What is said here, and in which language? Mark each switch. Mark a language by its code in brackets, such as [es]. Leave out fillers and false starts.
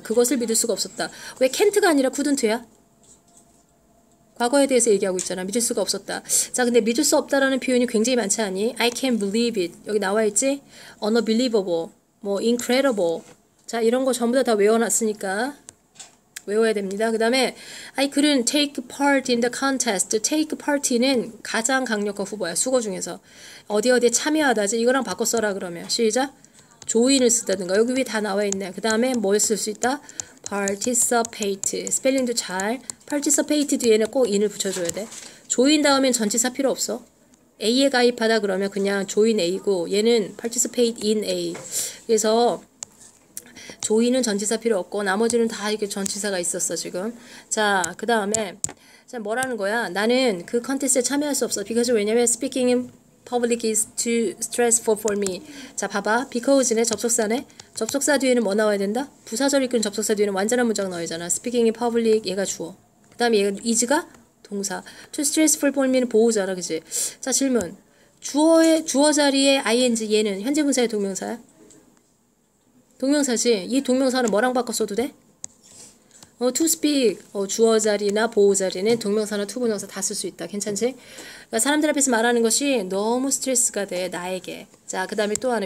[ko] 그것을 믿을 수가 없었다. 왜 can't가 아니라 couldn't야? 과거에 대해서 얘기하고 있잖아. 믿을 수가 없었다. 자, 근데 믿을 수 없다라는 표현이 굉장히 많지 않니? [en] I can't believe it. [ko] 여기 나와 있지? [en] Unbelievable. 뭐, incredible. [ko] 자, 이런 거 전부 다 외워놨으니까. 외워야 됩니다. 그 다음에 [en] I couldn't take part in the contest. [ko] Take part는 가장 강력한 후보야. 수거 중에서. 어디 어디에 참여하다지? 이거랑 바꿔 써라 그러면. 시작. Join을 쓰다든가. 여기 위에 다 나와 있네. 그 다음에 뭘쓸수 있다? Participate. 스펠링도 잘. Participate 뒤에는 꼭 in을 붙여줘야 돼. Join 다음엔 전치사 필요 없어. A에 가입하다 그러면 그냥 Join A고 얘는 Participate in A. 그래서 조인은 전치사 필요 없고 나머지는 다 이렇게 전치사가 있었어 지금. 자, 그 다음에 자 뭐라는 거야? 나는 그 컨테스트에 참여할 수 없어. [en] Because [ko] 왜냐면 [en] speaking in public is too stressful for me. [ko] 자, 봐봐. Because네 접속사네. 접속사 뒤에는 뭐 나와야 된다? 부사절 이끈 접속사 뒤에는 완전한 문장 나와야잖아. [en] Speaking in public 얘가 주어. [ko] 그 다음에 얘가 is가 동사. Too stressful for me는 보호자라 그지? 자, 질문. 주어 자리에 ing 얘는 현재 분사의 동명사야? 동명사지. 이 동명사는 뭐랑 바꿔 써도 돼? [en] To speak. [ko] 주어 자리나 보호 자리는 동명사나 to 분사 다쓸수 있다. 괜찮지? 그러니까 사람들 앞에서 말하는 것이 너무 스트레스가 돼, 나에게. 자, 그 다음에 또 하나.